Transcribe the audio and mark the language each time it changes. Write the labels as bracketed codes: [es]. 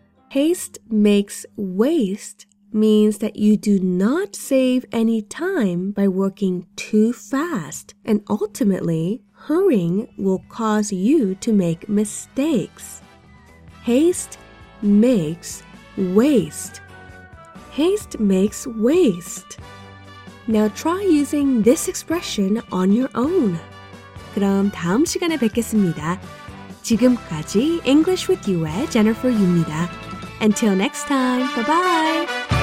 [en] Haste makes waste means that you do not save any time by working too fast, and ultimately, hurrying will cause you to make mistakes. Haste makes waste. Haste makes waste. Now try using this expression on your own. [ko] 그럼 다음 시간에 뵙겠습니다. 지금까지 English with You의 Jennifer Yu입니다. [en] Until next time, bye-bye!